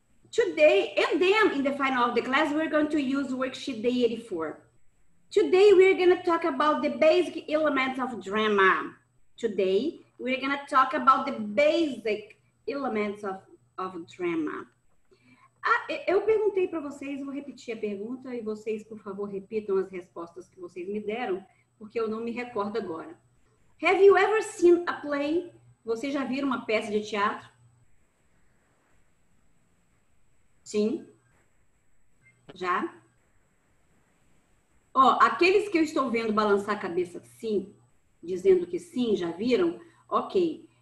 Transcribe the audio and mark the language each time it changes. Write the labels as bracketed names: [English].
[English] Today, and then in the final of the class, we're going to use worksheet day 84. Today, we're going to talk about the basic elements of drama. Today, we're going to talk about the basic elements of drama. [Portuguese] Ah, eu perguntei para vocês, vou repetir a pergunta e vocês, por favor, repitam as respostas que vocês me deram, porque eu não me recordo agora. [English] Have you ever seen a play? [Portuguese] Vocês já viram uma peça de teatro? Sim? Já? Ó, aqueles que eu estou vendo balançar a cabeça sim, dizendo que sim, já viram, ok.